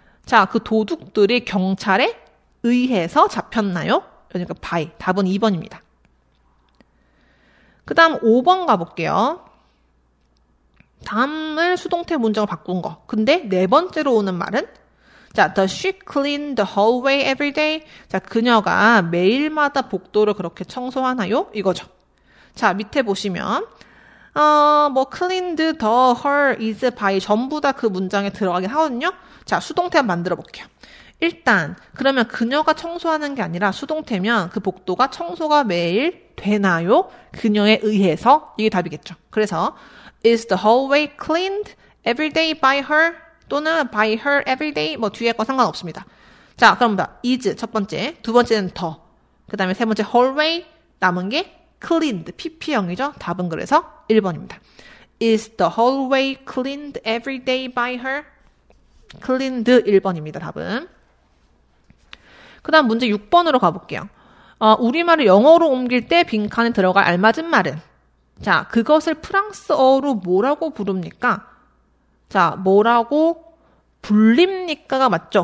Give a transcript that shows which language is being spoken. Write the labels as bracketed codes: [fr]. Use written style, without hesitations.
[ko] 자, 그 도둑들이 경찰에 의해서 잡혔나요? 그러니까 by. 답은 2번입니다. 그 다음 5번 가볼게요. 다음을 수동태 문장으로 바꾼 거. 근데 네 번째로 오는 말은 [en] 자, does she clean the hallway every day? [ko] 자, 그녀가 매일마다 복도를 그렇게 청소하나요? 이거죠. 자, 밑에 보시면 뭐 cleaned the her is by 전부 다 그 문장에 들어가긴 하거든요. 자, 수동태 한번 만들어 볼게요. 일단 그러면 그녀가 청소하는 게 아니라 수동태면 그 복도가 청소가 매일 되나요? 그녀에 의해서 이게 답이겠죠. 그래서 [en] is the hallway cleaned every day by her [ko] 또는 [en] by her every day [ko] 뭐 뒤에 거 상관없습니다. 자, 그럼 is 첫 번째, 두 번째는 더, 그 다음에 세 번째 hallway, 남은 게 cleaned, PP형이죠. 답은 그래서 1번입니다. [en] Is the hallway cleaned every day by her? [ko] Cleaned 1번입니다. 답은. 그 다음 문제 6번으로 가볼게요. 우리말을 영어로 옮길 때 빈칸에 들어갈 알맞은 말은? 자, 그것을 프랑스어로 뭐라고 부릅니까? 자, 뭐라고 불립니까가 맞죠?